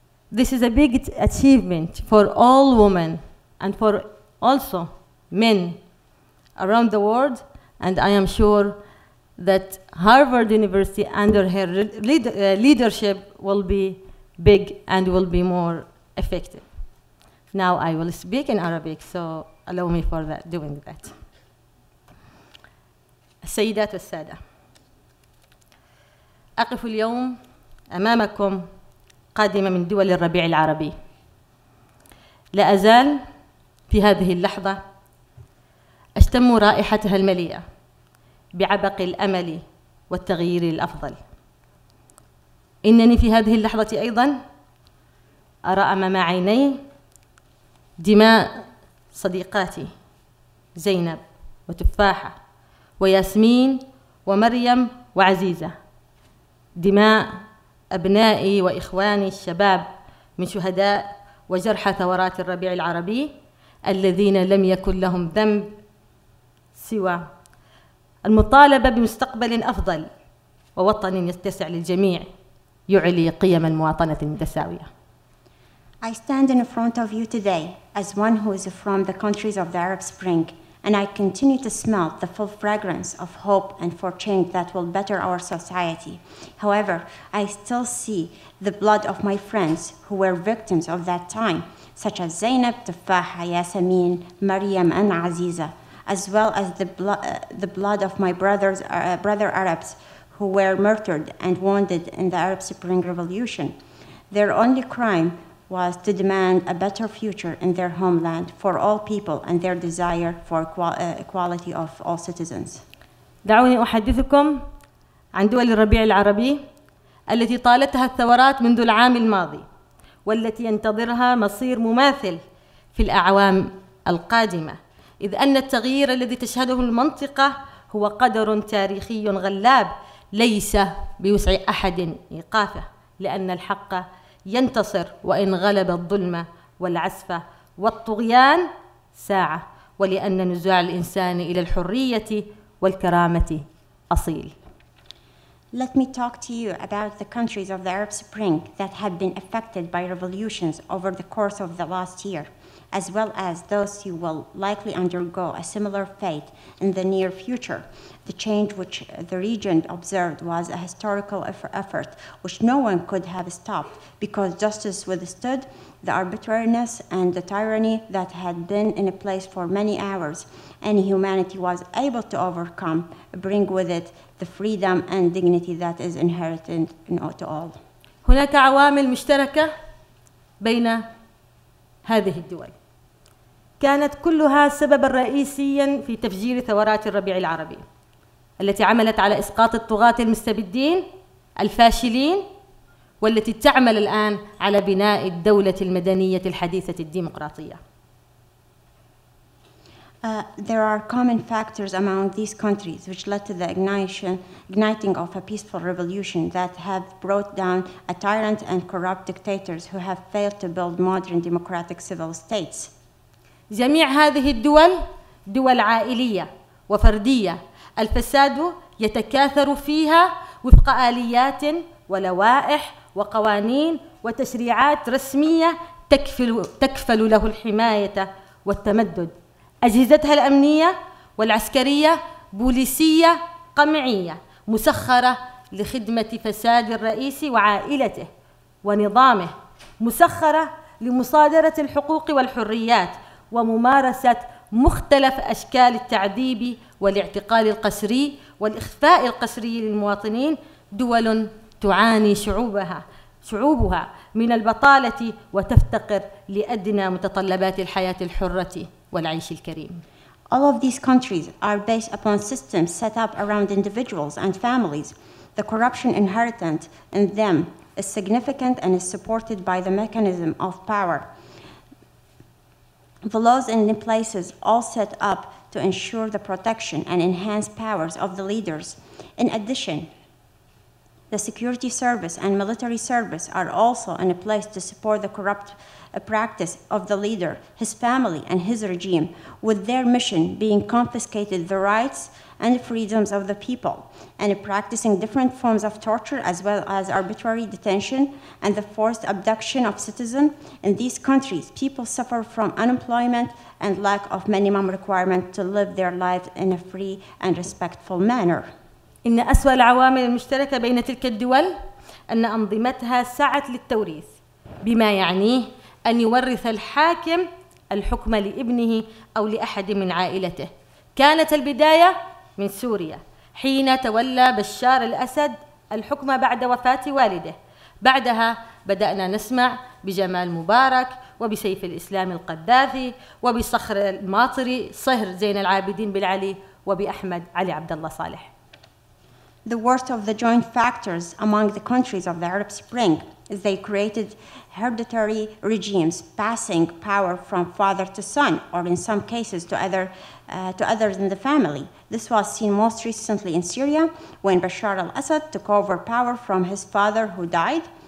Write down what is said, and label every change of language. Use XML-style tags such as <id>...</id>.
<en>This is a big achievement for all women and for also men around the world, and I am sure that Harvard University under her leadership will be big and will be more effective. Now I will speak in Arabic, so allow me for that, doing that.</en> <ar>Sayyidat al-Sada, أقف اليوم أمامكم قادمة من دول الربيع العربي. لا أزال في هذه اللحظة أشم رائحتها المليئة بعبق الأمل والتغيير الأفضل. إنني في هذه اللحظة أيضا أرى أمام عيني دماء صديقاتي زينب وتفاحة وياسمين ومريم وعزيزة، دماء أبنائي وإخواني الشباب من شهداء وجرحى ثورات الربيع العربي الذين لم يكن لهم ذنب سوى المطالبة بمستقبل أفضل ووطن يتسع للجميع يعلي قيم المواطنة المتساوية.</ar> <en>I stand in front of you today as one who is from the countries of the Arab Spring, and I continue to smell the full fragrance of hope and for change that will better our society. However, I still see the blood of my friends who were victims of that time, such as Zainab, Tufaha, Yasemin, Maryam, and Aziza, as well as the blood of my brothers, brother Arabs who were murdered and wounded in the Arab Spring Revolution. Their only crime was to demand a better future in their homeland for all people and their desire for equality of all citizens.</en> <ar>دعوني أحدثكم عن دول الربيع العربي التي طالتها الثورات منذ العام الماضي والتي ينتظرها مصير مماثل في الأعوام القادمة، إذ أن التغيير الذي تشهده المنطقة هو قدر تاريخي غلاب ليس بوسع أحد إيقافه، لأن الحق ينتصر وإن غلب الظلمة والعسفة والطغيان ساعة، ولأن نزوع الإنسان إلى الحرية والكرامة أصيل.</ar> <en>Let me talk to you about the countries of the Arab Spring that have been affected by revolutions over the course of the last year, as well as those who will likely undergo a similar fate in the near future. The change which the region observed was a historical effort which no one could have stopped, because justice withstood the arbitrariness and the tyranny that had been in place for many hours, and humanity was able to overcome, bring with it the freedom and dignity that is inherited in all.</en> <ar>هناك عوامل مشتركة بين هذه الدول كانت كلها سببا رئيسيا في تفجير ثورات الربيع العربي التي عملت على إسقاط الطغاة المستبدين الفاشلين، والتي تعمل الآن على بناء الدولة المدنية الحديثة الديمقراطية.</ar> <en>There are common factors among these countries which led to the igniting of a peaceful revolution that have brought down a tyrant and corrupt dictators who have failed to build modern democratic civil states.</en> <ar>جميع هذه الدول دول عائلية وفردية، الفساد يتكاثر فيها وفق آليات ولوائح وقوانين وتشريعات رسمية تكفل له الحماية والتمدد. أجهزتها الأمنية والعسكرية بوليسية قمعية مسخرة لخدمة فساد الرئيس وعائلته ونظامه، مسخرة لمصادرة الحقوق والحريات وممارسة مختلف أشكال التعذيب والاعتقال القسري والإخفاء القسري للمواطنين. دول تعاني شعوبها من البطالة وتفتقر لأدنى متطلبات الحياة الحرة والعيش الكريم.</ar> <en>All of these countries are based upon systems set up around individuals and families. The corruption inherent in them is significant and is supported by the mechanism of power. The laws in the places all set up to ensure the protection and enhance powers of the leaders. In addition, the security service and military service are also in a place to support the corrupt practice of the leader, his family, and his regime, with their mission being confiscated the rights and freedoms of the people, and practicing different forms of torture as well as arbitrary detention and the forced abduction of citizens. In these countries, people suffer from unemployment and lack of minimum requirement to live their lives in a free and respectful manner.</en> <ar>إن أسوأ العوامل المشتركة بين تلك الدول أن أنظمتها سعت للتوريث، بما يعنيه أن يورث الحاكم الحكم لابنه أو لأحد من عائلته. كانت البداية من سوريا حين تولى بشار الأسد الحكم بعد وفاة والده. بعدها بدأنا نسمع بجمال مبارك وبسيف الإسلام القذافي وبصخر الماطري صهر زين العابدين بالعلي وبأحمد علي عبد الله صالح.</ar> <en>The worst of the joint factors among the countries of the Arab Spring is they created hereditary regimes, passing power from father to son, or in some cases to others in the family. This was seen most recently in Syria, when Bashar al-Assad took over power from his father who died.</en>